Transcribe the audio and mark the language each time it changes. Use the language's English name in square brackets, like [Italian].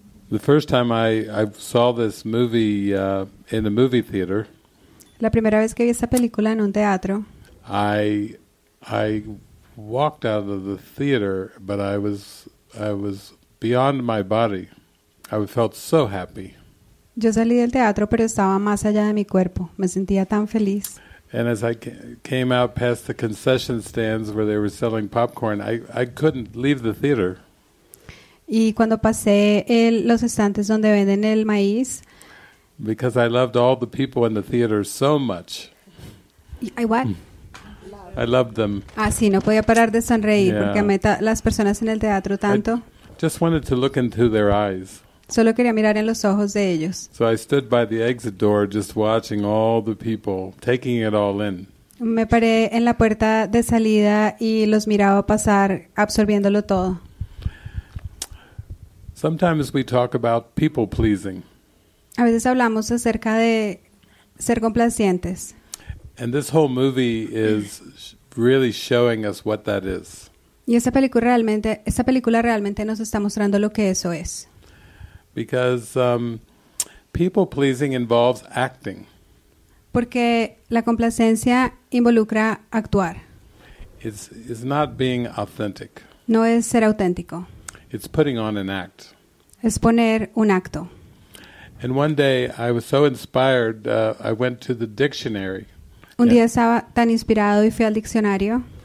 [English] The first time I saw this movie in a movie theater. [Spanish] La primera vez que vi esta película en un teatro. [English] I walked out of the theater, but I was beyond my body. I felt so happy. [Spanish] Yo salí del teatro, pero estaba más allá de mi cuerpo. Me sentía tan feliz. [English] And as I came out past the concession stands where they were selling popcorn, I couldn't leave the theater. [Spanish] Y cuando pasé los estantes donde venden el maíz. [English] Because I loved all the people in the theater so much. I what? I loved them. [Spanish] Ah, sí, no podía parar de sonreír porque amé las personas en el teatro tanto. [English] I just wanted to look into their eyes. [Spanish] Solo quería mirar en los ojos de ellos. [English] So I stood by the exit door just watching all the people, taking it all in. [Spanish] Me paré en la puerta de salida y los miraba pasar absorbiéndolo todo. [English] Sometimes we talk about people pleasing. [Spanish] A veces hablamos acerca de ser complacientes. [English] And this whole movie is really showing us what that is. [Spanish] Y esta película realmente nos está mostrando lo que eso es. [English] Because people pleasing involves acting. [Spanish] Porque la complacencia involucra actuar. [English] It's not being authentic. [Spanish] No es ser auténtico. [English] It's putting on an act. [Spanish] Es poner un acto. [English] And one day I was so inspired, I went to the dictionary. [Spanish] Un día estaba tan inspirado y fui al diccionario.